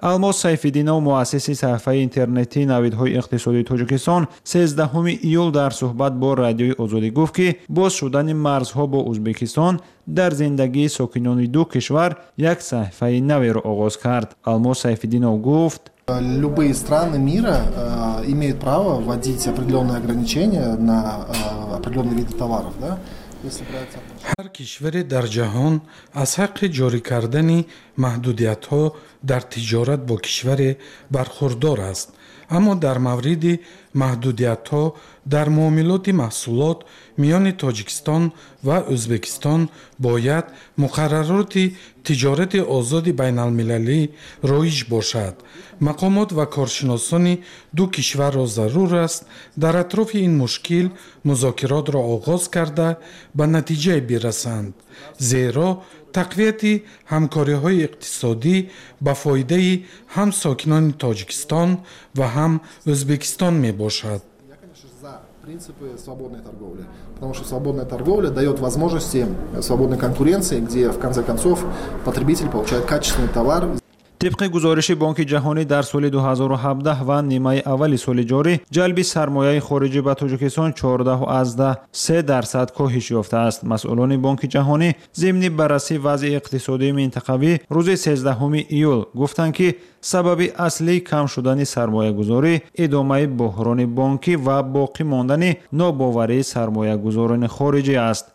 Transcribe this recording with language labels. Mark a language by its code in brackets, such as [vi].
[fa] الماس سیفی‌دینوف مؤسس صفحه اینترنتی نویدهای اقتصادی تاجیکستان 13 ایول در صحبت با رادیوی آزادی گفت که باز شدن مرزها با ازبکستان در زندگی ساکنان دو کشور یک صفحه نو را آغاز کرد. الماس سیفی‌دینوف گفت: [ru] Любые страны мира имеют право вводить определенные ограничения на определенные виды товаров, да? [fa] هر کشوری در جهان از حق جاری کردن محدودیت ها در تجارت با کشور برخوردار است، اما در مورد محدودیت ها در معاملات محصولات میان تاجیکستان و ازبکستان باید مقررات تجارت آزاد بین المللی رایج باشد. مقامات و کارشناسان دو کشور را ضرور است در اطراف این مشکل مذاکرات را آغاز کرده به نتیجه بیرسند، زیرا تقویت همکاری های اقتصادی به فایده هم ساکنان تاجیکستان و هم ازبکستان می باشد. [ru] принципы свободной торговли, потому что свободная торговля дает возможности свободной конкуренции, где в конце концов потребитель получает качественный товар. [fa] طبق گزارش بانک جهانی در سال 2017 و نیمه اول سال جاری جلب سرمایه خارجی به تاجیکستان 14.3% کاهش یافته است. مسئولان بانک جهانی ضمن بررسی وضع اقتصادی منطقوی روز 13 ایول گفتند که سبب اصلی کم شدن سرمایه گذاری ادامه بحران بانکی و باقی ماندن ناباوری سرمایه گذاران خارجی است.